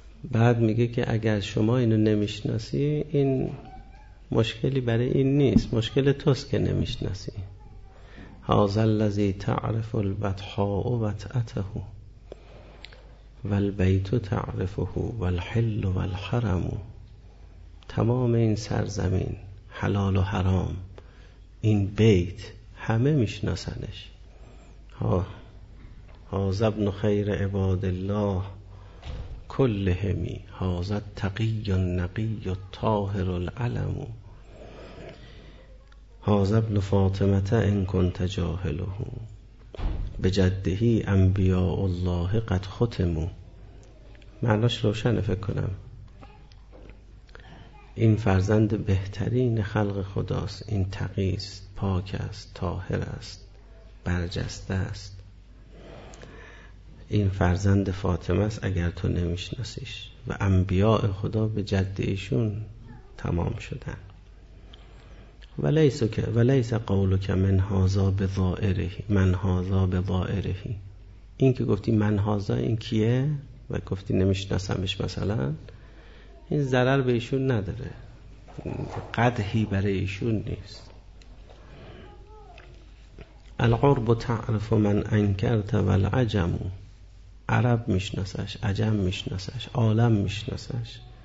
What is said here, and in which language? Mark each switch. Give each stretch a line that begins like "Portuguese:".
Persian: بعد میگه که اگر شما اینو نمیشناسی این مشکلی برای این نیست، مشکل توست که نمیشناسی.
Arabic: هاذا الذی تعرف البطحاء وطأته والبیت تعرفه والحل والحرم.
Persian: تمام این سرزمین حلال و حرام، این بیت همه میشناسنش.
Arabic: هاذا ابن خیر عباد الله کلهم، هاذا التقی النقی الطاهر العلم، هاذا ابن فاطمه ان كنت جاهله بجده انبیاء الله قد ختموا.
Persian: معناش روشنه فکر کنم. این فرزند بهترین خلق خداست، این تقی است، پاک است، طاهر است، برجسته است. این فرزند فاطمه است اگر تو نمیشناسیش، و انبیاء خدا به جد ایشون تمام شدن.
Arabic: ولیس قولک من هاذا بظائره، من هاذا بظائره.
Persian: این که گفتی من هاذا این کیه و گفتی نمیشناسمش مثلا، این ضرر به ایشون نداره، قدحی برای ایشون نیست. العرب تعرف من انکرت والعجم، عرب میشناسش، عجم میشناسش، عالم میشناسش.